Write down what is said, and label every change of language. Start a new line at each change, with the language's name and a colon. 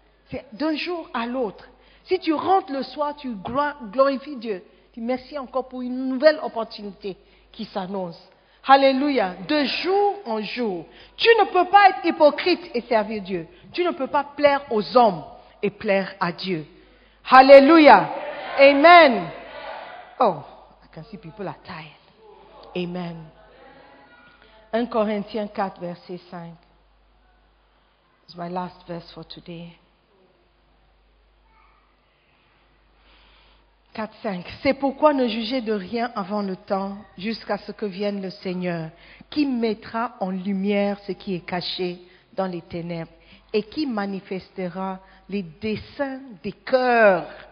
French: C'est d'un jour à l'autre. Si tu rentres le soir, tu glorifies Dieu. Tu merci encore pour une nouvelle opportunité qui s'annonce. Alléluia, de jour en jour. Tu ne peux pas être hypocrite et servir Dieu. Tu ne peux pas plaire aux hommes et plaire à Dieu. Alléluia, amen.
English: Oh, I can see people are tired. Amen.
French: 1 Corinthiens 4, verset 5.
English: It's my last verse for today. 4, 5.
French: C'est pourquoi ne jugez de rien avant le temps, jusqu'à ce que vienne le Seigneur, qui mettra en lumière ce qui est caché dans les ténèbres et qui manifestera les desseins des cœurs.